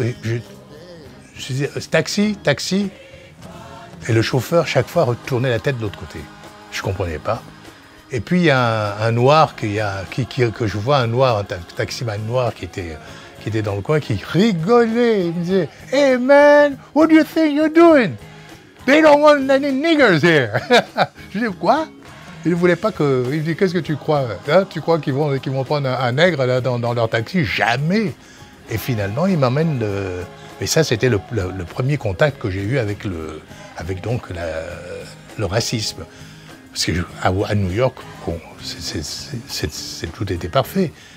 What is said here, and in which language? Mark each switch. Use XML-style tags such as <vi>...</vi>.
<fr>Et je dis taxi, taxi. Et le chauffeur, chaque fois, retournait la tête de l'autre côté. Je ne comprenais pas. Et puis, il y a un noir, que je vois, un noir, un taximan noir qui était dans le coin, qui rigolait. Il me disait,</fr> <en>« Hey, man, what do you think you're doing? They don't want any niggers here. »</en> <fr>Je dis, « Quoi ?» Il ne voulait pas que... Il me dit, « Qu'est-ce que tu crois hein? Tu crois qu'ils vont prendre un nègre là, dans leur taxi ?» Jamais. Et finalement, il m'emmène le... Et ça, c'était le premier contact que j'ai eu avec le racisme. Parce qu'à New York, bon, c'est tout était parfait.</fr>